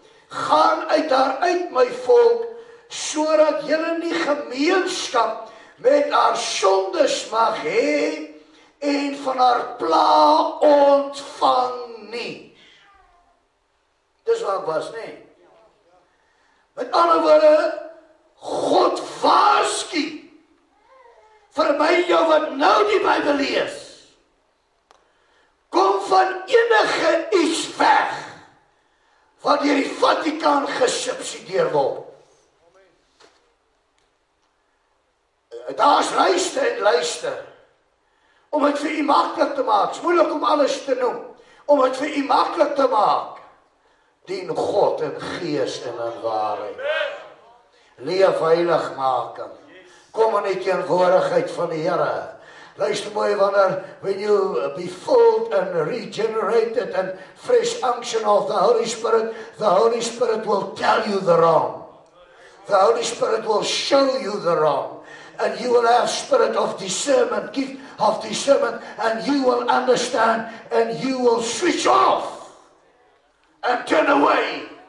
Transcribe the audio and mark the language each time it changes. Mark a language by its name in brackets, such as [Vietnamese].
[Afrikaans] Gaan uit haar uit my volk, sodat julle nie gemeenskap met haar sondes mag hê en van haar pla ontvang nie. Dis wat was nie. Met ander woorde, God waarsku vir my en jou wat nou die Bybel lees. Kom van enige iets weg wat deur die Vatikaan gesubsidieer word. Daar is lyste en lyste om dit vir u maklik te maak. Is moeilik om alles te noem. Om dit vir u maklik te maak. Dien God in gees en in waarheid. Leef heilig maak. Kom in die teenwoordigheid van die Here. Luister mooi, wanneer, [English] when you be filled and regenerated and fresh unction of the Holy Spirit will tell you the wrong. The Holy Spirit will show you the wrong. And you will have spirit of discernment, gift of discernment, and you will understand, and you will switch off and turn away.